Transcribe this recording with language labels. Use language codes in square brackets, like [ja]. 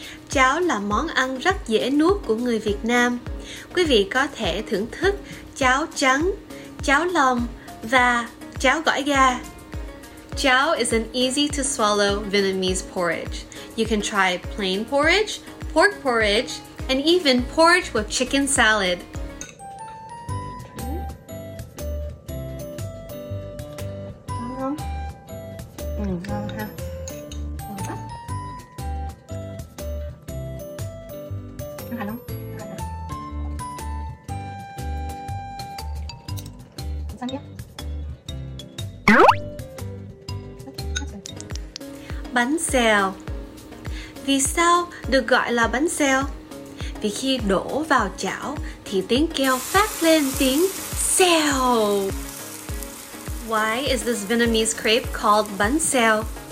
[vi] Cháo là món ăn rất dễ nuốt của người Việt Nam. Quý vị có thể thưởng thức cháo trắng, cháo lòng và cháo gỏi gà. [en] Cháo is an easy to swallow Vietnamese porridge. You can try plain porridge, pork porridge, and even porridge with chicken salad. [vi] Bánh xèo. Vì sao được gọi là bánh xèo? Vì khi đổ vào chảo thì tiếng kêu phát lên tiếng xèo. [en] Why is this Vietnamese crepe called bánh xèo?